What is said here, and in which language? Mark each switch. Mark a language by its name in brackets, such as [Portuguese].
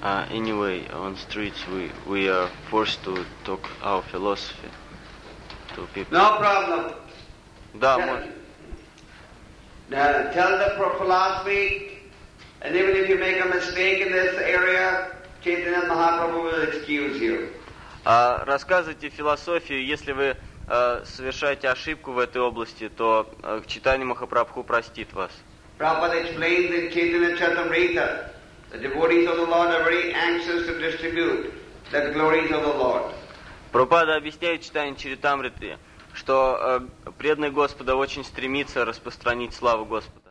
[English] Anyway, on streets we are forced to talk our philosophy to people. No problem. [Russian] Да, [English] tell the philosophy, and even if you make a mistake in this area, Chaitanya Mahaprabhu will excuse you. [Russian] Рассказывайте философию, если вы совершаете ошибку в этой области, то Чайтанья Махапрабху простит вас. [English] Prabhupada explains in Chaitanya Charitamrita, the devotees of the Lord are very anxious to distribute the glories of the Lord. [Russian] Прабхупада объясняет Чайтанья Чаритамриты, что преданный Господа очень стремится распространить славу Господа.